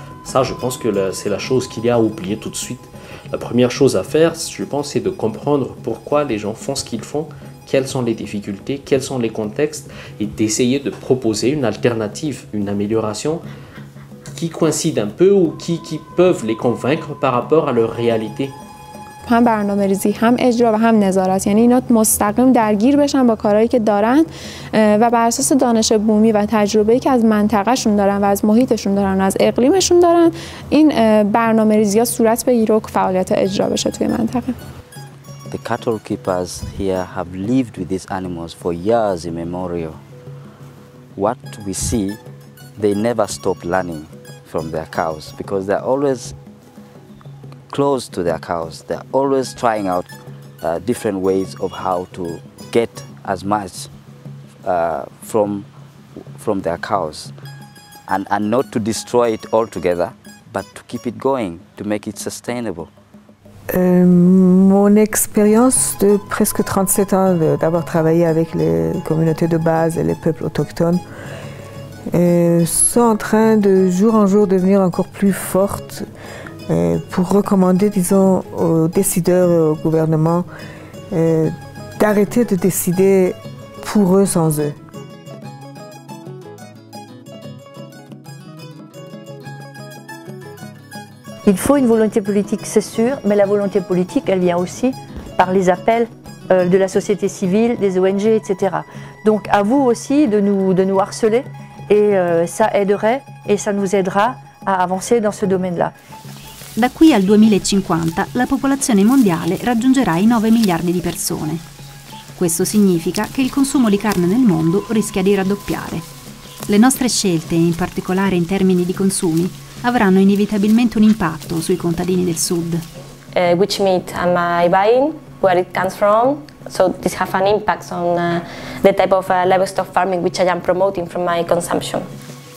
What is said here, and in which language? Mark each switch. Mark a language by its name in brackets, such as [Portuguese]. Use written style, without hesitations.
[French] Ça, je pense que c'est la chose qu'il y a à oublier tout de suite. La première chose à faire, je pense, c'est de comprendre pourquoi les gens font ce qu'ils font, quelles sont les difficultés, quels sont les contextes, et d'essayer de proposer une alternative, une amélioration qui coïncide un peu ou qui peuvent les convaincre par rapport à leur réalité. [Persian] هم برنامه‌ریزی، هم اجرا و هم نظارت، یعنی اینا مستقیم درگیر بشن با کارهایی که دارن و بر اساس دانش بومی و تجربه‌ای که از منطقه‌شون دارن و از محیطشون دارن و از اقلیمشون دارن این برنامه‌ریزی ها صورت بگیره و فعالیت اجرا بشه توی منطقه. [English] The cattle keepers here have lived with these animals for years immemorial. What we see, they never stop learning from their cows because they're always close to their cows. They're always trying out different ways of how to get as much from their cows and not to destroy it altogether, but to keep it going, to make it sustainable. [French] Mon expérience de presque 37 ans d'avoir travaillé avec les communautés de base et les peuples autochtones sont en train de jour en jour devenir encore plus forte. Pour recommander, disons, aux décideurs et au gouvernement d'arrêter de décider pour eux sans eux. Il faut une volonté politique, c'est sûr, mais la volonté politique, elle vient aussi par les appels de la société civile, des ONG, etc. Donc à vous aussi de nous harceler, et ça aiderait et ça nous aidera à avancer dans ce domaine-là. [Italian] Da qui al 2050 la popolazione mondiale raggiungerà i 9 miliardi di persone. Questo significa che il consumo di carne nel mondo rischia di raddoppiare. Le nostre scelte, in particolare in termini di consumi, avranno inevitabilmente un impatto sui contadini del sud. [English] Which meat am I buying? Where it comes from? So this has an impact on the type of livestock farming which I am promoting from my consumption.